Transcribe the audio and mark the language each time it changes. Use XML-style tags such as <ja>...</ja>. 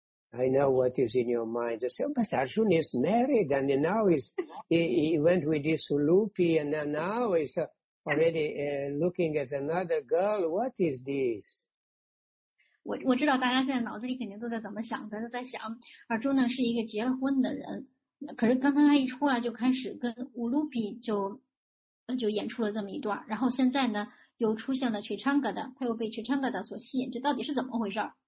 <en>I know what is in your mind. I said, but Arjuna is married, and now he went with this Ulupi, and now he's already looking at another girl. What is this?</en> <zh>我知道大家现在脑子里肯定都在怎么想的，都在想阿朱呢是一个结了婚的人，可是刚才他一出来就开始跟乌鲁比就演出了这么一段，然后现在呢又出现了曲昌格达，他又被曲昌格达所吸引，这到底是怎么回事？</zh>